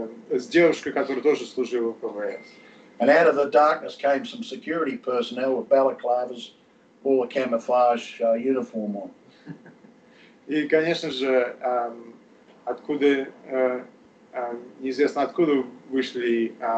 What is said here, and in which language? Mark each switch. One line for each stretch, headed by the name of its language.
Russian: С девушкой, которая тоже служила в ВВС.
English: And out of the darkness came some security personnel with balaclavas, all the camouflage uniform on.
Russian: И, конечно же, откуда, неизвестно откуда вышли